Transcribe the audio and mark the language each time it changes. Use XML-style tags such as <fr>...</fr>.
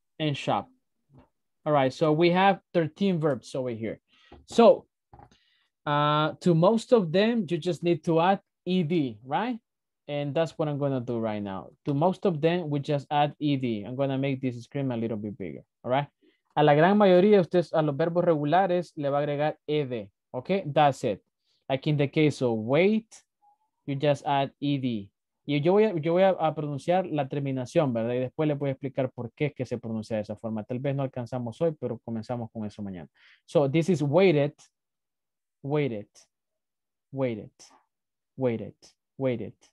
<en>And shop. All right, so we have 13 verbs over here. So to most of them, you just need to add ed, right? And that's what I'm gonna do right now. To most of them, we just add ed. I'm gonna make this screen a little bit bigger, all right?</en> <es>A la gran mayoría, ustedes a los verbos regulares le va a agregar ed.</es> <en>Okay, that's it. Like in the case of wait, you just add ed.</en> <es>Yo voy a pronunciar la terminación, ¿verdad? Y después les voy a explicar por qué es que se pronuncia de esa forma. Tal vez no alcanzamos hoy, pero comenzamos con eso mañana.</es> <en>So this is waited, waited, waited, waited, waited.</en>